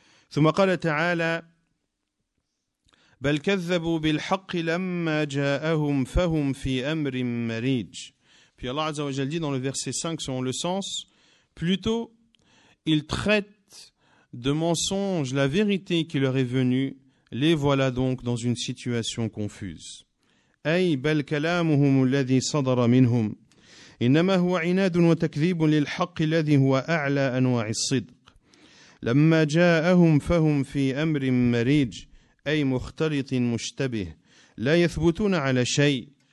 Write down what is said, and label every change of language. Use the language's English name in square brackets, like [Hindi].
[Arabic] Thumma qala ta'ala, بل كذبوا بالحق لما جاءهم فهم في امر مريج. [French] Puis Allah Azza wa Jalla dit dans le verset 5 selon le sens, plutôt ils traitent de mensonge la vérité qui leur est venue, les voilà donc dans une situation confuse. [Arabic] اي بل كلامهم الذي صدر منهم انما هو عناد وتكذيب للحق الذي هو اعلى انواع الصدق لما جاءهم فهم في امر مريج أي مختلط مشتبه لا يثبتون على شيء